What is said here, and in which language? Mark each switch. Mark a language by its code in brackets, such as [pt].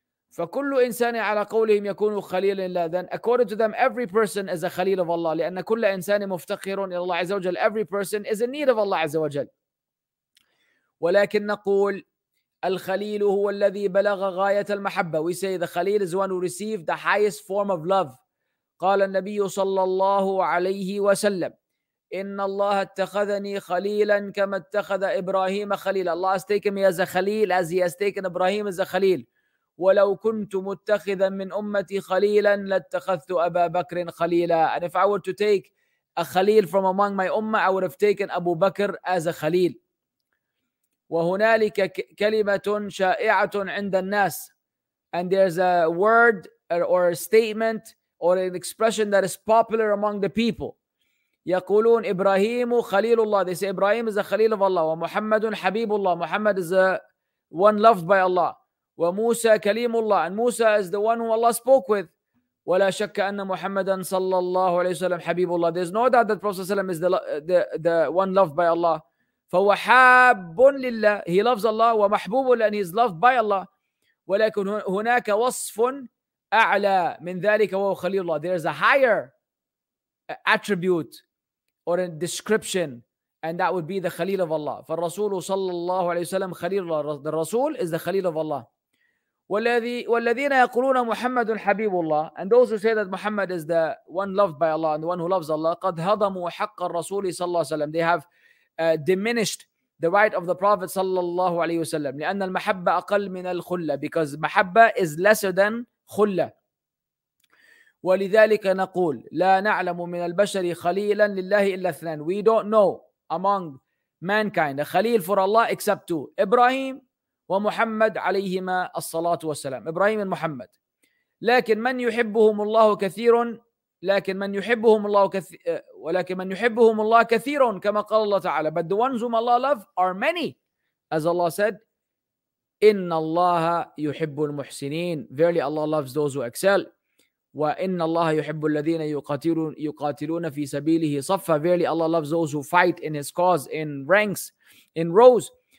[ar] فكل إنسان على قولهم يكون خليلا لله. [en] Then according to them, every person is a خليل of Allah, [ar] لأن كل إنسان مفتقر إلى الله عز وجل. [en] Every person is in need of Allah عز وجل. [ar] ولكن نقول الخليل هو الذي بلغ غاية المحبة. [en] We say the خليل is one who received the highest form of love. [ar] قال النبي صلى الله عليه وسلم إن الله اتخذني خليلا كما اتخذ إبراهيم خليلا. [en] Allah has taken me as a خليل as he has taken Ibrahim as a خليل. [ar] ولو كنت متخذا من أمتي خليلا لاتخذت أبا بكر خليلا. [en] And if I were to take a خليل from among my أمة, I would have taken أبو بكر as a خليل. [ar] وهنالك كلمة شائعة عند الناس. [en] And there's a word or a statement or an expression that is popular among the people. [ar] يقولون إبراهيم خليل الله. [en] They say Ibrahim is a خليل of Allah. [ar] ومحمد حبيب الله. [en] Muhammad is the one loved by Allah. [ar] وموسى كليم الله. [en] And Musa is the one who Allah spoke with. [ar] ولا شك أن محمدا صلى الله عليه وسلم حبيب الله. [en] There's no doubt that Prophet ﷺ is the one loved by Allah. [ar] فهو حاب لله. [en] He loves Allah. [ar] ومحبوب لله. [en] And he is loved by Allah. [ar] ولكن هناك وصف أعلى من ذلك وهو خليل الله. [en] There is a higher attribute or a description, and that would be the خليل of Allah. [ar] فالرسول صلى الله عليه وسلم خليل الله. [en] The رسول is the خليل of Allah. [ar] والذين يقولون محمد حبيب الله, [en] and those who say that Muhammad is the one loved by Allah and the one who loves Allah, [ar] قد هضموا حق الرسول صلى الله عليه وسلم. [en] They have diminished the right of the Prophet صلى الله عليه وسلم. [ar] لأن المحبة أقل من الخلة, [en] because محبة is lesser than خلة. [ar] ولذلك نقول لا نعلم من البشر خليلا لله إلا اثنان. [en] We don't know among mankind a خليل for Allah except two, إبراهيم ومحمد [ar] عليهما الصلاة والسلام. [en] إبراهيم ومحمد. [ar] ولكن من يحبهم الله كثيرا كما قال الله تعالى. [en] But the ones whom Allah love are many, as Allah said, [ar] إن الله يحب المحسنين. [en] Verily Allah loves those who excel. [ar] وَإِنَّ اللَّهَ يُحِبُّ الَّذِينَ يُقَاتِلُونَ فِي سَبِيلِهِ صَفَّ [en] Verily Allah loves those who fight in his cause, in ranks, in rows.